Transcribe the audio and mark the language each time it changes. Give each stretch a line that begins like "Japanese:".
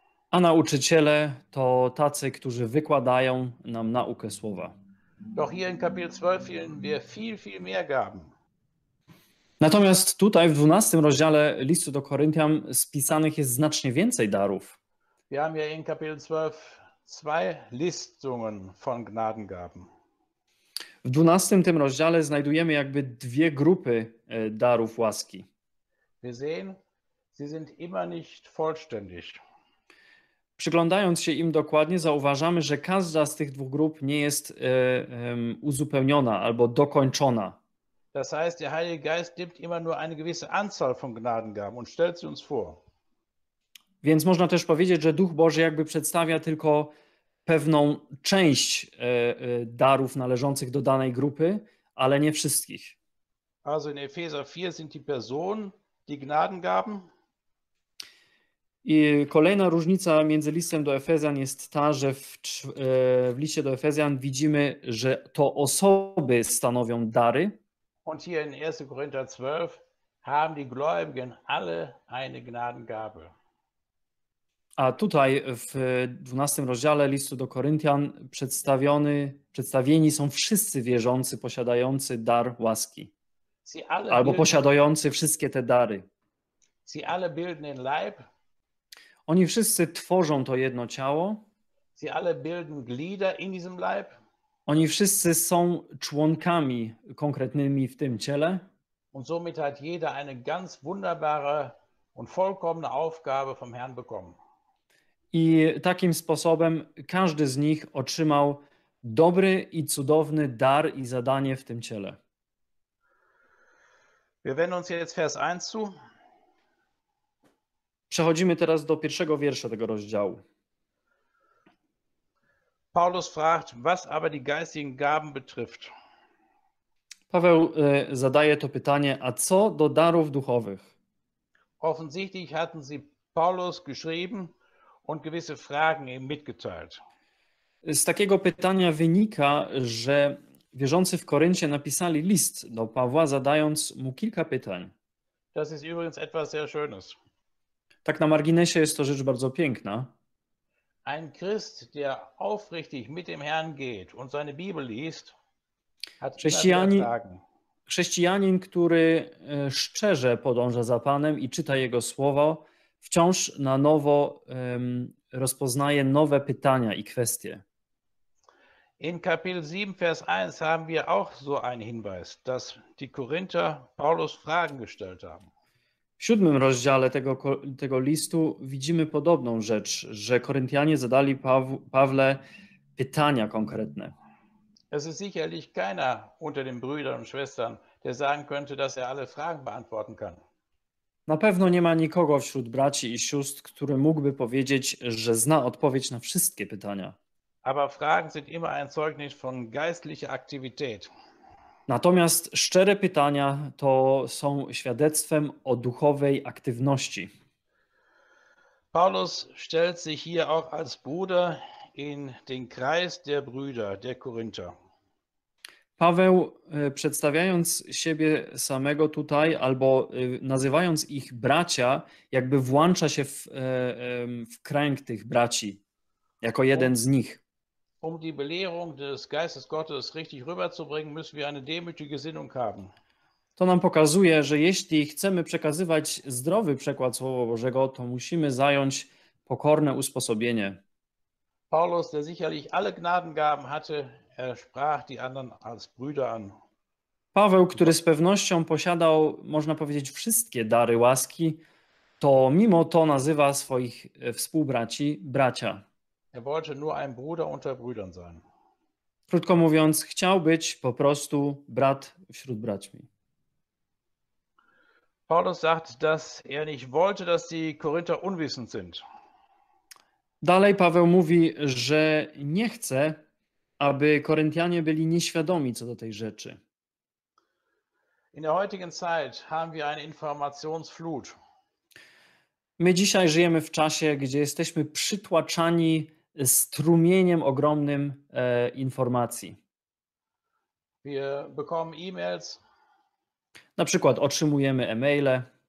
Polish: A nauczyciele to tacy, którzy wykładają nam naukę słowa.
German: Doch hier in Kapitel 12 finden wir viel, viel mehr Gaben.
Polish: Natomiast tutaj w 12 rozdziale listu do Koryntian spisanych jest znacznie więcej darów.
German: Wir haben ja in Kapitel 12 zwei Listungen von Gnadengaben.
Polish: W 12 tym rozdziale znajdujemy jakby dwie grupy darów łaski.
German: Wir sehen, sie sind immer nicht vollständig.
Polish: Przyglądając się im dokładnie, zauważamy, że każda z tych dwóch grup nie jest uzupełniona albo dokończona.
German: Das heißt, der Heilige Geist nimmt immer nur eine gewisse Anzahl von Gnadengaben und stellt sie uns vor.
Polish: Więc można też powiedzieć, że Duch Boży jakby przedstawia tylko pewną część darów należących do danej grupy, ale nie wszystkich.
German: Also in Epheser 4 sind die Personen, die Gnadengaben.
Polish: I kolejna różnica między listem do Efezjan jest ta, że w liście do Efezjan widzimy, że to osoby stanowią dary.
German: Und hier in 1. Korinther 12 haben die Gläubigen alle eine Gnadengabe.
Polish: A tutaj w 12 rozdziale listu do Koryntian przedstawieni są wszyscy wierzący posiadający dar łaski. Albo posiadający wszystkie te dary.
German: Sie alle bilden den Leib.
Polish: Oni wszyscy tworzą to jedno ciało.
German: Sie alle bilden Glieder in diesem Leib.
Polish: Oni wszyscy są członkami konkretnymi w tym ciele.
German: Und somit hat jeder eine ganz wunderbare und vollkommene Aufgabe vom Herrn bekommen.
Polish: I takim sposobem każdy z nich otrzymał dobry i cudowny dar i zadanie w tym ciele.
German: Wir wenden uns jetzt Vers 1 zu.
Polish: Przechodzimy teraz do pierwszego wiersza tego rozdziału.
German: Paulus fragt, was aber die geistigen Gaben betrifft.
Polish: Paweł zadaje to pytanie, a co do darów duchowych?
German: Offensichtlich hatten sie Paulus geschrieben und gewisse Fragen ihm mitgeteilt.
Polish: Z takiego pytania wynika, że wierzący w Koryncie napisali list do Pawła, zadając mu kilka pytań.
German: Das ist übrigens etwas sehr Schönes.
Polish: Tak na marginesie jest to rzecz bardzo piękna.
German: Ein Christ, der aufrichtig mit dem Herrn geht und seine Bibel liest, hat
Polish: Chrześcijanin, który szczerze podąża za Panem i czyta Jego Słowo, wciąż na nowo rozpoznaje nowe pytania i kwestie.
German: In Kapitel 7, Vers 1 haben wir auch so einen Hinweis, dass die Korinther Paulus Fragen gestellt haben.
Polish: W 7 rozdziale tego listu widzimy podobną rzecz, że Koryntianie zadali Pawle pytania konkretne.
German: Es ist sicherlich keiner unter den Brüdern und Schwestern, der sagen könnte, dass er alle Fragen beantworten kann.
Polish: Na pewno nie ma nikogo wśród braci i sióstr, który mógłby powiedzieć, że zna odpowiedź na wszystkie pytania.
German: Aber Fragen sind immer ein Zeugnis von geistlicher Aktivität.
Polish: Natomiast szczere pytania to są świadectwem o duchowej aktywności.
German: Paulus stellt sich hier auch als Bruder in den Kreis der Brüder, der Korinther.
Polish: Paweł, przedstawiając siebie samego tutaj, albo nazywając ich bracia, jakby włącza się w kręg tych braci, jako jeden z nich.
German: Um die Belehrung des Geistes Gottes richtig rüberzubringen, müssen wir eine demütige Gesinnung haben.
Polish: To nam pokazuje, że jeśli chcemy przekazywać zdrowy przekład Słowa Bożego, to musimy zająć pokorne usposobienie.
German: Paulus, der sicherlich alle Gnadengaben hatte, er sprach die anderen als Brüder an.
Polish: Paweł, który z pewnością posiadał, można powiedzieć, wszystkie dary łaski, to mimo to nazywa swoich współbraci bracia.
German: Er wollte nur ein Bruder unter Brüdern sein.
Polish: Krótko mówiąc, chciał być po prostu brat wśród braćmi.
German: Paulus sagt, dass er nicht wollte, dass die Korinther unwissend sind.
Polish: Dalej Paweł mówi, że nie chce, aby Koryntianie byli nieświadomi co do tej rzeczy.
German: In der heutigen Zeit haben wir eine Informationsflut.
Polish: My dzisiaj żyjemy w czasie, gdzie jesteśmy przytłaczani strumieniem ogromnym informacji.
German: Wir bekommen E-Mails.
Polish: Na przykład otrzymujemy e-maile.